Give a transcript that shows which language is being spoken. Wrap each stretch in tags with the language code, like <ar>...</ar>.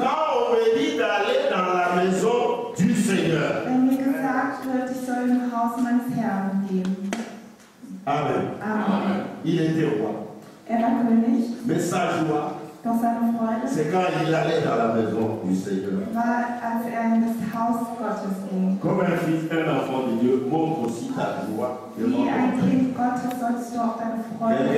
<fr>Quand on me dit d'aller dans la maison du Seigneur.</fr> <de>Wenn mir gesagt wird, ich soll im Haus meines Herrn gehen. Amen. Amen.</de> <fr>Il était roi.</fr> <de>Er war König.</de> <fr>Mais sa joie.</fr> <de>Dans seine Freude.</de> <fr>C'est quand il allait dans la maison du Seigneur.</fr> <de>War, als er in das Haus Gottes ging.</de> <fr>Comme un fils, un enfant de Dieu, montre aussi ta joie.</fr> <de>Wie ein Kind Gottes sollst du auch deine Freude</de>